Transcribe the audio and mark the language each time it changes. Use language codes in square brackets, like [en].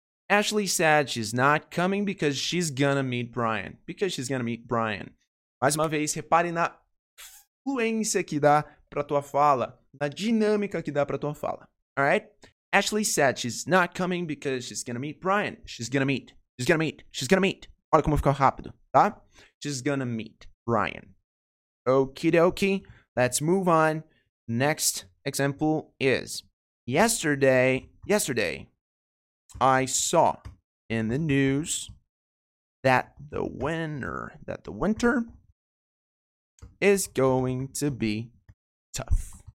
[en] Ashley said she's not coming because she's gonna meet Brian. Because she's gonna meet Brian. [pt] Mais uma vez, repare na fluência que dá pra tua fala. Na dinâmica que dá pra tua fala. Alright? [en] Ashley said she's not coming because she's gonna meet Brian. She's gonna meet. She's gonna meet. She's gonna meet. [pt] Olha como ficou rápido, tá? [en] She's gonna meet Brian. Okie dokie, let's move on. Next example is yesterday I saw in the news that the winter is going to be tough.